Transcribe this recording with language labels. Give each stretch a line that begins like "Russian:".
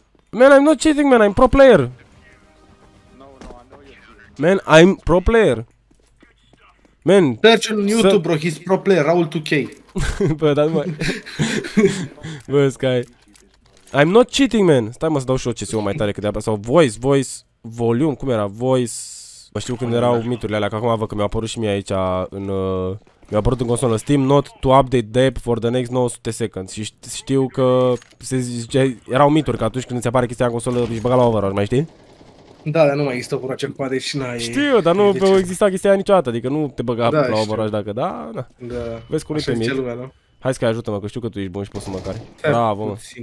English: Man, I'm not cheating, man, I'm pro player. Man, I'm pro player. Man, search on YouTube, bro, he's pro player, Raul 2K.
Romanian: Bă, dar nu mai... Bă, Sky.
English: I'm not cheating, man.
Romanian: Stai, mă, să dau și o CS-ul mai tare, că de-abia... Sau voice, volume, cum era? Voice... Mă, știu când erau miturile alea, că acum văd că mi-au apărut și mie aici în... mi-au apărut în consolă.
English: Steam not to update depth for the next 900 seconds.
Romanian: Și știu că... Se zice, erau mituri, că atunci când îți apare chestia în consolă, își băga la overwatch, mai știi? Da, dar nu mai există cu acel poate și n-ai... Știu, dar nu au existat chestia niciodată, adică nu te băga da, la overwatch dacă... Da, da, da. Vezi cum așa e pe. Hai Sky, ajută-mă, că știu că tu ești bun și poți să mă cari. Bravo, mă.